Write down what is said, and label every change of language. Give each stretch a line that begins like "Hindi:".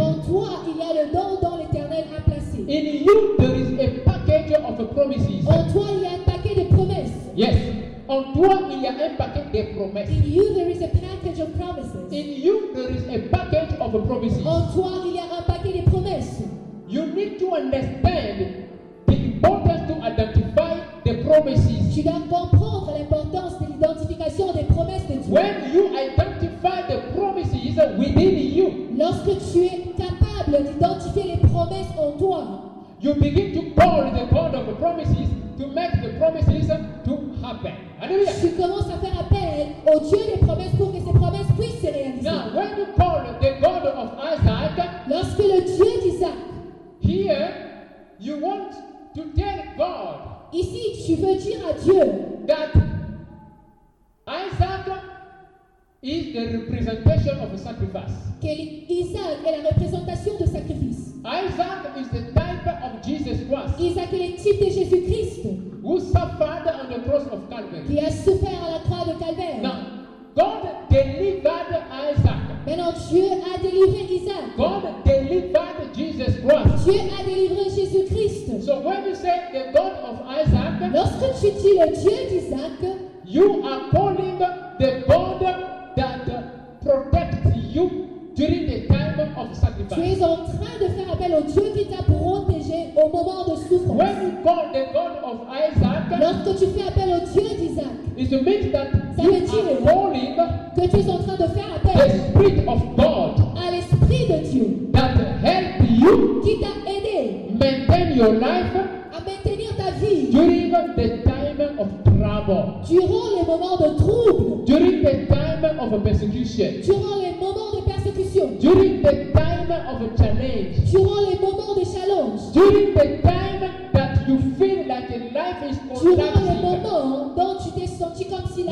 French: En toi, il y a le don dont l'Éternel a placé.
English: In you there is a package of promises.
French: En toi, il y a un paquet de promesses.
English: Yes.
French: En toi, il y a un paquet de promesses.
English: In you there is a package of promises. In you there is a package of promises.
French: En toi, il y a un paquet de promesses.
English: You need to understand the importance to identify the promises.
French: Tu dois comprendre l'importance de l'identification des promesses de Dieu.
English: When you identify the promises within you,
French: lorsque tu es capable d'identifier les promesses en toi,
English: you begin to call the God of the promises to make the promises to happen. Hallelujah.
French: Tu commences à faire appel au Dieu des promesses pour que ces promesses puissent se réaliser.
English: Now, when you call the God of Isaac,
French: lorsque le Dieu d'Isaac,
English: here you want to tell God,
French: ici tu veux dire à Dieu,
English: that Isaac is the representation of a sacrifice.
French: Que Isaac est la représentation de sacrifice.
English: Isaac is the type of Jesus Christ.
French: Isaac est le type de Jésus Christ.
English: Who suffered on the cross of Calvary.
French: Qui a souffert à la croix de Calvaire.
English: Now, God delivered Isaac.
French: Maintenant, Dieu a délivré Isaac.
English: God delivered Jesus Christ.
French: Dieu a délivré Jésus Christ.
English: So when you say the God of Isaac,
French: lorsque tu dis le Dieu d'Isaac,
English: you are calling the God that protects you during the time of sacrifice.
French: Tu es en train de faire appel au Dieu qui t'a protégé au moment de souffrance.
English: When you call the God of Isaac,
French: lorsque tu fais appel au Dieu d'Isaac,
English: it means that you are calling,
French: que tu es en train de faire appel,
English: the Spirit of God,
French: à l'Esprit de Dieu,
English: that help you,
French: qui t'a aidé,
English: maintain your life,
French: à maintenir ta vie,
English: during the time of trouble,
French: durant les moments de trouble,
English: during the time of persecution,
French: durant les moments de persécution,
English: during the time of a challenge,
French: durant les moments de challenge,
English: during the time that you feel like a life is contracting,
French: durant les moments dont tu t'es senti comme si la